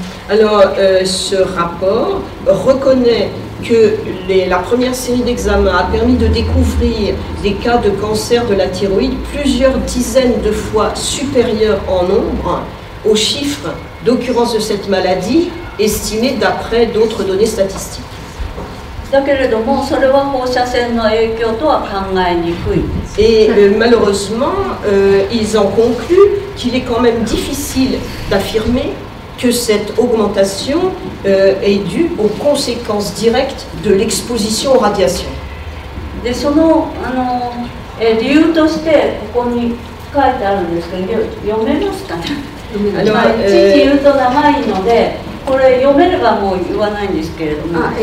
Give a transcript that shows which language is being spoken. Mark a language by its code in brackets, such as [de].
[fr] Alors, ce rapport reconnaît que la première série d'examens a permis de découvrir des cas de cancer de la thyroïde plusieurs dizaines de fois supérieurs en nombre aux chiffres d'occurrence de cette maladie estimés d'après d'autres données statistiques. [ja] だけれども、それは放射線の影響とは考えにくい。 [fr] Et malheureusement, ils en concluent qu'il est quand même difficile d'affirmer que cette augmentation est due aux conséquences directes de l'exposition aux radiations. [ja] で、その、あの、理由としてここに書いてあるんですけど、読めますかね。ちち言うと長いので。これ読めればもう言わないんですけれども。